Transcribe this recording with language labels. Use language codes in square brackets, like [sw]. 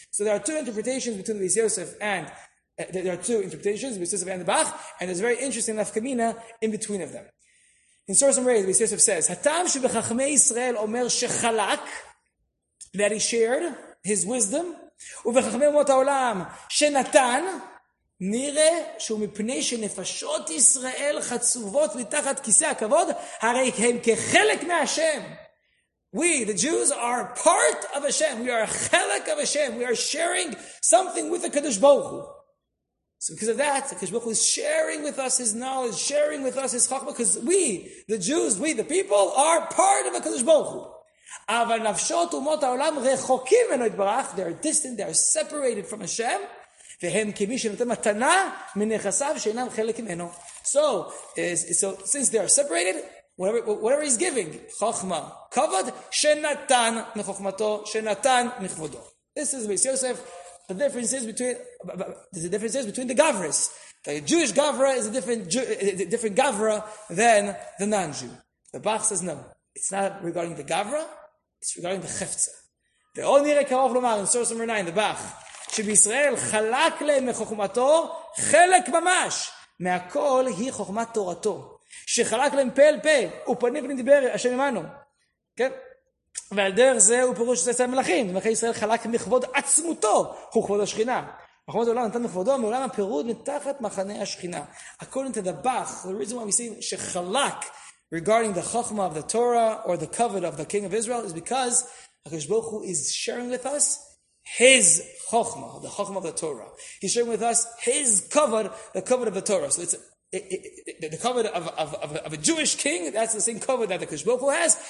[en] So there are two interpretations between Reb Yosef and the Bach, and there's a very interesting nafkamina in between of them. In source number 8, Reb Yosef says, [he] "Hatam shebechachmei Yisrael omer shechalak, [en] that he shared his wisdom, [he] ubechachmei mot haolam shenatan." נראה שהוא מפני שנפשות ישראל חצובות מתחת כיסא הכבוד, הרי הם כחלק מהשם. [en] We, the Jews, are part of Hashem. We are חלק of Hashem. We are sharing something with the Kadosh Baruch Hu. So because of that, the Kadosh Baruch Hu is sharing with us his knowledge, sharing with us his chokmah, because we, the Jews, we, the people, are part of the Kadosh Baruch Hu. [he] אבל נפשות אומות העולם רחוקים מנו יתברך, [en] they are distant, they are separated from Hashem, [he] והם כמי שנותן מתנה מנכסיו שאינם חלק ממנו. [en] So since they are separated, whatever he's giving, חוכמה, כבוד, [he] שנתן מחוכמתו, שנתן מכבודו. [en] This is Reb Yosef. The difference is between the gavras. The Jewish gavra is a different gavra than the non-Jew. The Bach says no. It's not regarding the gavra, it's regarding the chefza. The only rekaof lomar in source number 9, the Bach, [he] שבישראל חלק להם מחוכמתו, חלק ממש, מהכל היא חוכמת תורתו, שחלק להם פה אל פה, ופנים ונדבר השם עמנו. כן? ועל דרך זה הוא פירוש את אצל המלאכים, מלאכי ישראל חלק מכבוד עצמותו, הוא כבוד השכינה. מחוכמת העולם נתן מכבודו, מעולם הפירוד מתחת מחנה השכינה. הכל נתדבך, [en] the reason why we see שחלק regarding the chokhmah of the Torah or the covet of the king of Israel is because HaKadosh Baruch Hu is sharing with us his chokhmah, the chokhmah of the Torah. He's sharing with us his kavod, the kavod of the Torah. So it's the kavod of a Jewish king, that's the same kavod that the Kadosh Baruch Hu has.